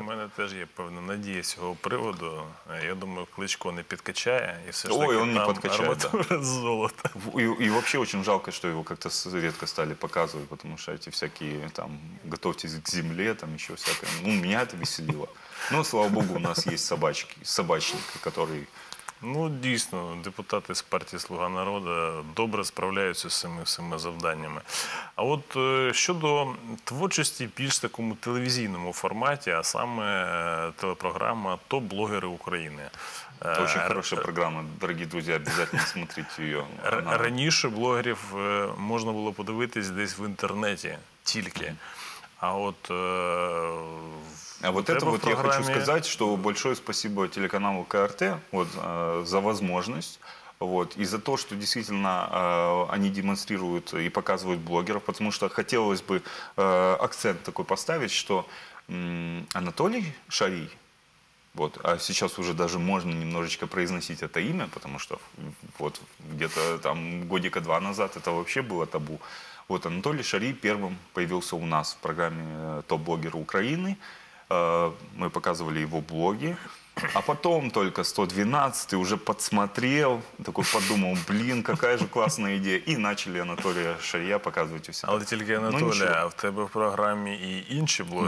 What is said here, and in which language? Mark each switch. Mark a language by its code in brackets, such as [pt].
[ru] У меня тоже есть [uk] певна надія [ru] с этого привода. Я думаю, Кличко не подкачает. И все же он не подкачает. Арматура из золота. И вообще очень жалко, что его как-то редко стали показывать, потому что эти всякие там, готовьтесь к земле, там еще всякое. Ну, меня это веселило. Но, слава богу, у нас есть собачники, которые... [uk] Ну, дійсно, депутати з партії «Слуга народу» добре справляються з цими всіма завданнями. А от щодо творчості більш такому телевізійному форматі, а саме телепрограма «Топ-блогери України». Дуже хороша програма, дорогі друзі, обов'язково дивіться її. Раніше блогерів можна було подивитись десь в інтернеті тільки. [ru] А вот, Я хочу сказать, что большое спасибо телеканалу КРТ вот, за возможность. Вот, и за то, что действительно они демонстрируют и показывают блогеров. Потому что хотелось бы акцент такой поставить, что Анатолий Шарий, вот, а сейчас уже даже можно немножечко произносить это имя, потому что вот, где-то там годика два назад это вообще было табу. Вот Анатолий Шарий первым появился у нас в программе «Топ-блогер Украины». Мы показывали его блоги. А потом только 112-й уже подсмотрел, такой подумал, блин, какая же классная идея. И начали Анатолия Шарія показывать у себя. [uk] Але тільки Анатолія, а в тебе в програмі і інші блогери?